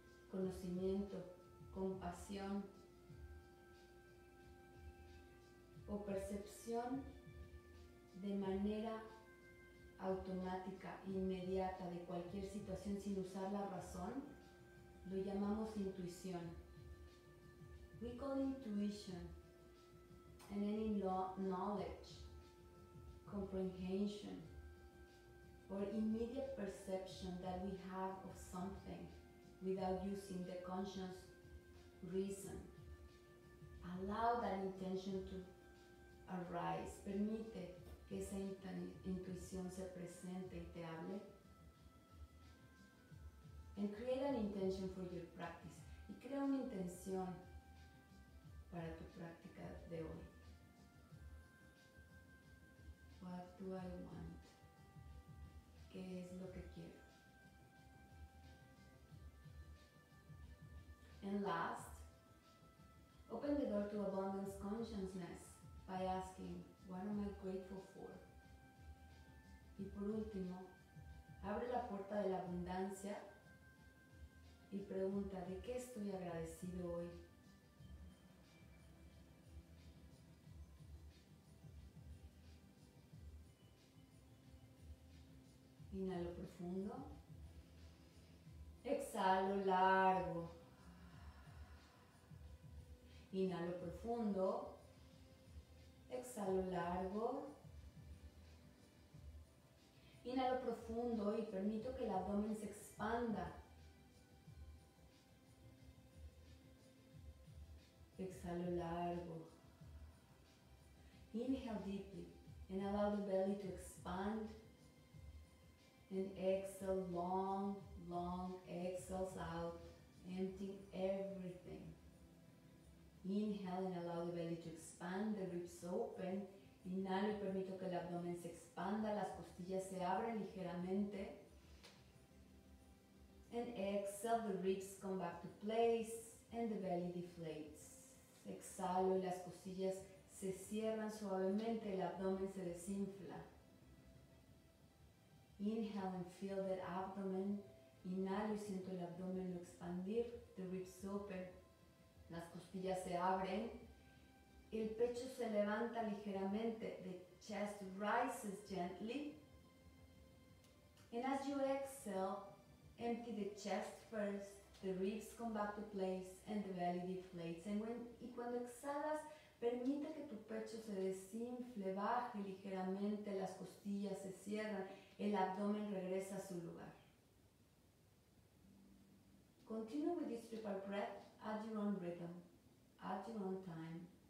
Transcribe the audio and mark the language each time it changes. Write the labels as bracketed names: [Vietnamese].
[Spanish] Conocimiento, compasión, o percepción de manera automática, inmediata, de cualquier situación sin usar la razón, lo llamamos intuición. [English] We call intuition and any knowledge, comprehension, or immediate perception that we have of something without using the conscious reason. Allow that intention to arise. Permite [Spanish] que esa intuición se presente y te hable. [English] And create an intention for your practice. [Spanish] Y crea una intención para tu práctica de hoy. [English] What do I want? [Spanish] ¿Qué es lo que quiero? [English] And last, open the door to abundance consciousness by asking, what am I grateful for? [Spanish] Y por último, abre la puerta de la abundancia y pregunta, ¿de qué estoy agradecido hoy? Inhalo profundo. Exhalo largo. Inhalo profundo. Exhalo largo. Inhalo profundo y permito que el abdomen se expanda. Exhalo largo. [English] Inhale deeply and allow the belly to expand. And exhale, long, long exhales out, emptying everything. Inhale and allow the belly to expand, the ribs open. [Spanish] Inhalo y permito que el abdomen se expanda, las costillas se abren ligeramente. [English] And exhale, the ribs come back to place and the belly deflates. [Spanish] Exhalo y las costillas se cierran suavemente, el abdomen se desinfla. [English] Inhale and feel that abdomen. [Spanish] Inhalo y siento el abdomen expandir. [English] The ribs open. [Spanish] Las costillas se abren. El pecho se levanta ligeramente. [English] The chest rises gently. And as you exhale, empty the chest first. The ribs come back to place and the belly deflates. [Spanish] Y cuando exhalas, permite que tu pecho se desinfle, baje ligeramente, las costillas se cierran, el abdomen regresa a su lugar. [English] Continue with this triple breath at your own rhythm, at your own time.